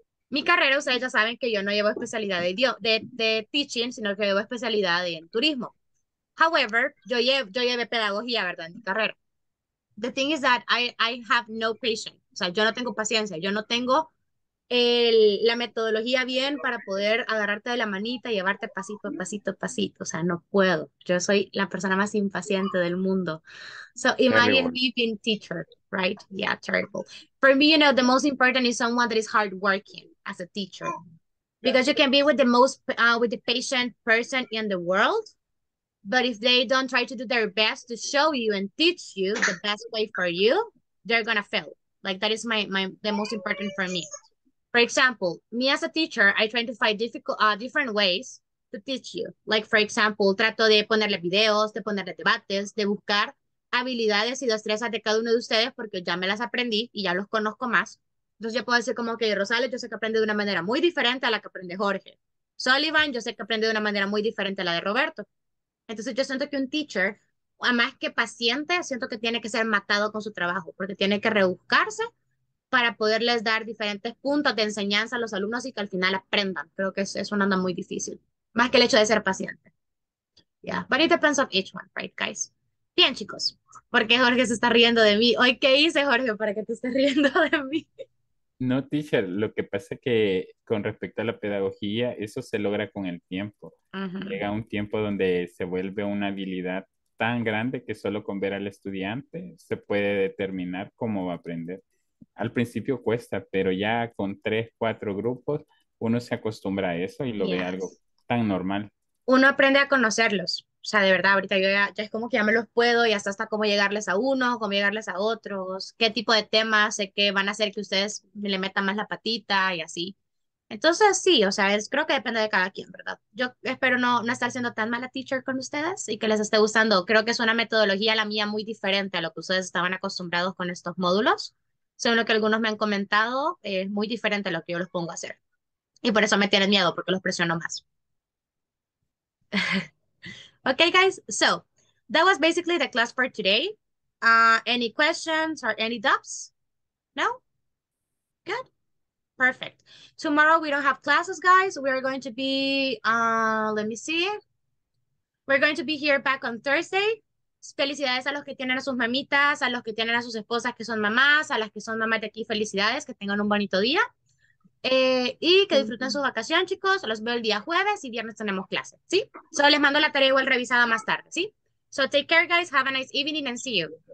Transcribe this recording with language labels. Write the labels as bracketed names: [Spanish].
[Spanish] Mi carrera, ustedes ya saben que yo no llevo especialidad de teaching, sino que llevo especialidad en turismo. [English] However, [Spanish] yo llevé pedagogía, ¿verdad? En mi carrera. [English] The thing is that I have no patience. [Spanish] O sea, yo no tengo paciencia. Yo no tengo la metodología bien para poder agarrarte de la manita y llevarte pasito. O sea, no puedo. Yo soy la persona más impaciente del mundo. [English] So imagine me being teacher, right? Yeah, terrible. For me, you know, the most important is someone that is hardworking as a teacher. Because you can be with the most, with the patient person in the world, but if they don't try to do their best to show you and teach you the best way for you, they're gonna fail. Like, that is the most important for me. For example, me as a teacher, I try to find different ways to teach you. Like, for example, [Spanish] trato de ponerle videos, de ponerle debates, de buscar habilidades y destrezas de cada uno de ustedes porque ya me las aprendí y ya los conozco más. Entonces yo puedo decir como que Rosales, yo sé que aprende de una manera muy diferente a la que aprende Jorge. Sullivan, yo sé que aprende de una manera muy diferente a la de Roberto. Entonces yo siento que un teacher, a más que paciente, siento que tiene que ser matado con su trabajo porque tiene que rebuscarse para poderles dar diferentes puntos de enseñanza a los alumnos y que al final aprendan. Creo que eso anda muy difícil. Más que el hecho de ser paciente. [English] Yeah, but it depends on each one, right, guys? [Spanish] Bien, chicos. ¿Por qué Jorge se está riendo de mí? ¿Hoy qué hice, Jorge, para que te estés riendo de mí? No, teacher. Lo que pasa es que con respecto a la pedagogía, eso se logra con el tiempo. Uh-huh. Llega un tiempo donde se vuelve una habilidad tan grande que solo con ver al estudiante se puede determinar cómo va a aprender. Al principio cuesta, pero ya con 3-4 grupos, uno se acostumbra a eso y lo ve algo tan normal. Uno aprende a conocerlos. O sea, de verdad, ahorita yo ya es como que ya me los puedo y hasta cómo llegarles a uno, cómo llegarles a otros, qué tipo de temas sé que van a hacer que ustedes le metan más la patita y así. Entonces, sí, o sea, creo que depende de cada quien, ¿verdad? Yo espero no estar siendo tan mala teacher con ustedes y que les esté gustando. Creo que es una metodología la mía muy diferente a lo que ustedes estaban acostumbrados con estos módulos. Según lo que algunos me han comentado, es muy diferente a lo que yo los pongo a hacer. Y por eso me tienen miedo, porque los presiono más. [English] Okay, guys. So, that was basically the class for today. Any questions or any doubts? No? Good. Perfect. Tomorrow, we don't have classes, guys. We are going to be, let me see. We're going to be here back on Thursday. [Spanish] Felicidades a los que tienen a sus mamitas, a los que tienen a sus esposas que son mamás, a las que son mamás de aquí, felicidades, que tengan un bonito día. Y que disfruten su vacación, chicos. Los veo el día jueves y viernes tenemos clase, ¿sí? Solo les mando la tarea igual revisada más tarde, ¿sí? [English] So take care, guys. Have a nice evening and see you.